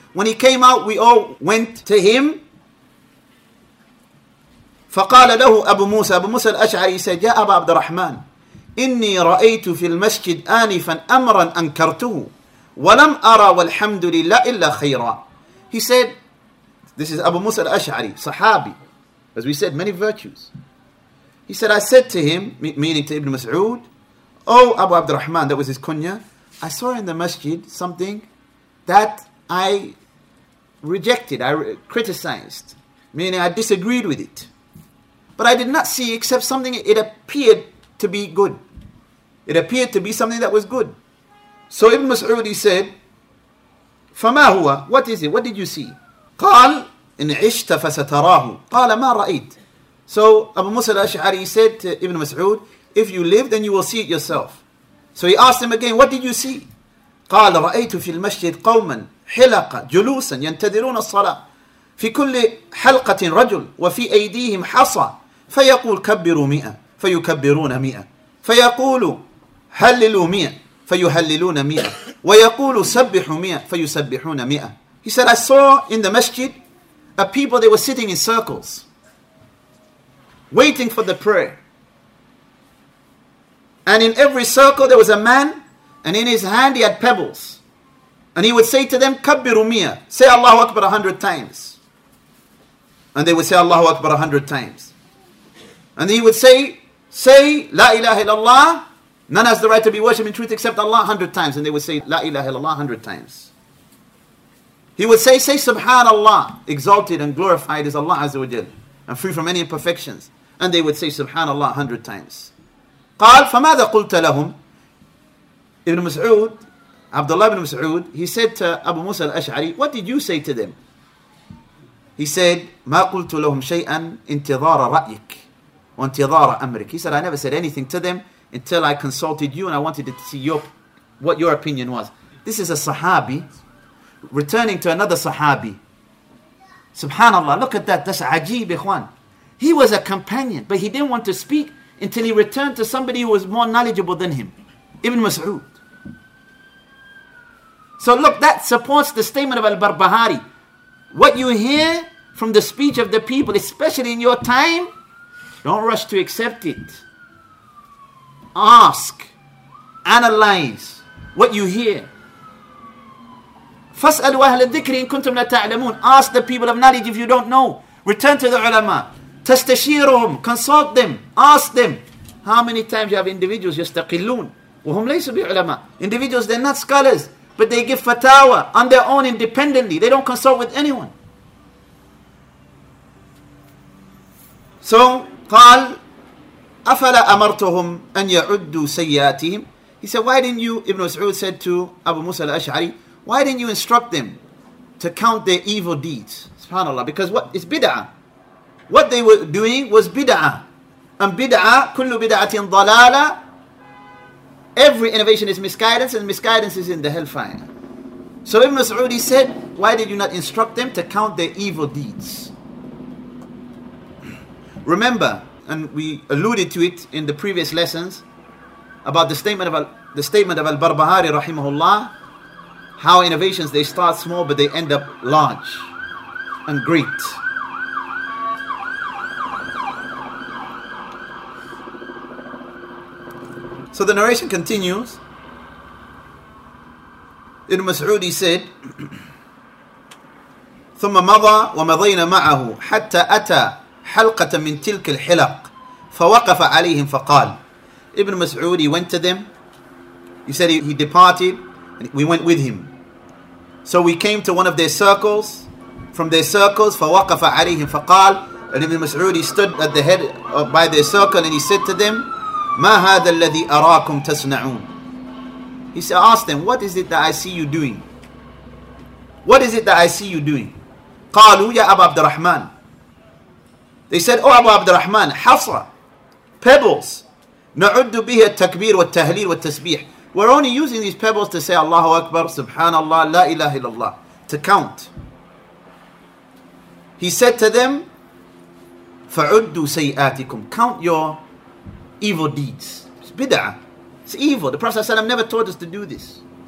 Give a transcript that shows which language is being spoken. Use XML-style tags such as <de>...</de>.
<en>When he came out, we all went to him.</en> <ar>فقال له أبو موسى, أبو موسى الأشعري</ar> <en>said,</en> <ar>يا أبا عبد الرحمن, إني رأيت في المسجد آنفا أمرا أنكرته ولم أرى والحمد لله إلا خيرا.</ar> <en>He said, this is Abu Musa al-Ash'ari, Sahabi, as we said, many virtues. He said, I said to him, meaning to Ibn Mas'ud, oh Abu Abd al-Rahman, that was his kunya, I saw in the masjid something that I rejected, I criticized, meaning I disagreed with it. But I did not see except something, it appeared to be good. It appeared to be something that was good. So Ibn Mas'ud, he said,</en> <ar>فما هو؟</ar> <en>What is it? What did you see?</en> <ar>قال إن عشت فستراه. قال ما رأيت.</ar> <en>So Abu Musa al-Ash'ari said to Ibn Mas'ud, if you live, then you will see it yourself. So he asked him again, what did you see?</en> <ar>قال رأيت في المسجد قوما حلقة جلوسا ينتظرون الصلاة في كل حلقة رجل وفي أيديهم حصى فيقول كبروا مئة فيكبرون مئة فيقول هللوا مئة فيهللون مئة ويقول سبحوا مئة فيسبحون مئة.</ar> <en>He said, I saw in the masjid a people, they were sitting in circles waiting for the prayer. And in every circle there was a man, and in his hand he had pebbles. And he would say to them,</en> <ar>Kabbiru mia,</ar> <en>say Allahu Akbar 100 times. And they would say Allahu Akbar 100 times. And he would say, say La ilaha illallah, none has the right to be worshipped in truth except Allah 100 times. And they would say La ilaha illallah 100 times. He would say, say Subhanallah, exalted and glorified is Allah Azza wa Jal, and free from any imperfections. And they would say Subhanallah 100 times.</en> <ar>قال فماذا قلت لهم؟</ar> <en>Ibn Mas'ud, Abdullah ibn Mas'ud, he said to Abu Musa al-Ash'ari, what did you say to them? He said,</en> <ar>ما قلت لهم شيئا انتظار رأيك وانتظار أمرك.</ar> <en>He said, I never said anything to them until I consulted you and I wanted to see your, what your opinion was. This is a Sahabi returning to another Sahabi. Subhanallah, look at that. That's ajeeb, ikhwan. He was a companion, but he didn't want to speak until he returned to somebody who was more knowledgeable than him, Ibn Mas'ud. So look, that supports the statement of Al-Barbahari. What you hear from the speech of the people, especially in your time, don't rush to accept it. Ask, analyze what you hear.</en> <ar>فَاسْأَلُوا أَهْلَ الذِّكْرِ إِن كُنْتُمْ لَتَعْلَمُونَ.</ar> <en>Ask the people of knowledge if you don't know. Return to the ulama.</en> <ar>تستشيرهم,</ar> <en>consult them, ask them. How many times you have individuals</en> <ar>يستقلون وهم ليسوا بعلماء.</ar> <en>Individuals, they're not scholars, but they give fatawa on their own independently. They don't consult with anyone.</en> <ar>So قال أفلا أمرتهم أن يعدوا سيئاتهم.</ar> <en>He said, why didn't you, Ibn Mas'ud said to Abu Musa al-Ash'ari, why didn't you instruct them to count their evil deeds? SubhanAllah, because what is bid'ah? What they were doing was bid'ah. And bid'ah,</en> <ar>kullu bid'atin dalala.</ar> <en>Every innovation is misguidance, and misguidance is in the hellfire. So Ibn Mas'ud said, why did you not instruct them to count their evil deeds? Remember, and we alluded to it in the previous lessons, about the statement of Al-Barbahari rahimahullah, how innovations, they start small, but they end up large and great. So the narration continues. Ibn Mas'ud said,</en> <ar>ثم مضى ومضينا معه حتى أتى حلقة من تلك الحلق فوقف عليهم فقال.</ar> <en>Ibn Mas'ud went to them. He said he departed and we went with him. So we came to one of their circles. From their circles,</en> <ar>فوقف عليهم فقال.</ar> <en>And Ibn Mas'ud stood at the head of, by their circle, and he said to them,</en> <ar>ما هذا الذي أراكم تصنعون.</ar> <en>He said, ask them, what is it that I see you doing? What is it that I see you doing?</en> <ar>قالوا يا أبا عبد الرحمن.</ar> <en>They said, oh Abu Abd al-Rahman,</en> <ar>حصر,</ar> <en>pebbles.</en> <ar>نعد به التكبير والتهليل والتسبيح.</ar> <en>We're only using these pebbles to say Allahu Akbar, Subhanallah, La ilaha illallah, to count. He said to them,</en> <ar>فعدوا سيئاتكم,</ar> <en>count your evil deeds. It's bid'ah. It's evil. The Prophet ﷺ never taught us to do this.</en>